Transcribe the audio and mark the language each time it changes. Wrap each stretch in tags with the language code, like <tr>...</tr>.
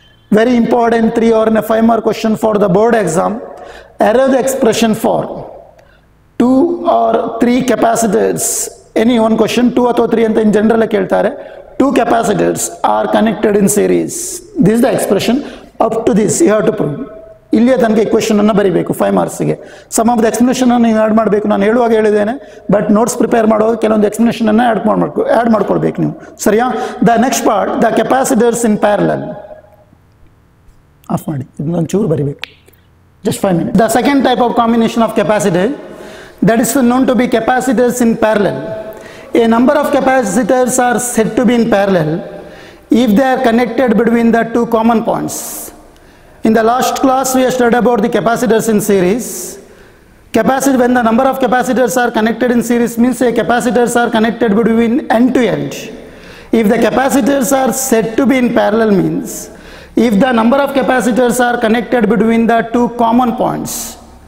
<en>very important 3 or 5 mark question for the board exam, error the expression for 2 or 3 capacitors, any one question, 2 or 3 in general, 2 capacitors are connected in series. This is the expression. Up to this, you have to prove.</en> <kn>ಇಲ್ಲಿಯ ತನಕ equation ಅನ್ನು ಬರೀಬೇಕು 5 ಮಾರ್ಕ್ಸ್ಗೆ.</kn> <en>some of the explanation</en> <kn>ಅನ್ನು add ಮಾಡಬೇಕು. ನಾನು ಹೇಳುವಾಗ ಹೇಳಿದ್ದೇನೆ, but notes prepare ಮಾಡೋ ಕೆಲವೊಂದು ಎಕ್ಸ್ಪ್ಲನೇಷನ್ ಅನ್ನು ಆ್ಯಡ್ ಮಾಡ್ಕೊಳ್ಬೇಕು ನೀವು. ಸರಿಯಾ?</kn> <en>The next part, the capacitors in parallel.</en> <kn>Of ಮಾಡಿ, ಇದನ್ನ ಒಂಚೂರು ಬರಿಬೇಕು,</kn> <en>Just 5 minute. The second type of combination of capacitor, that is known to be capacitors in parallel. A number of capacitors are set to be in parallel if they are connected between the two common points. In the last class, we have studied about the capacitors in series. Capacitor, when the number of capacitors are connected in series, means a capacitors are connected between end to end. If the capacitors are said to be in parallel, means if the number of capacitors are connected between the two common points.</en>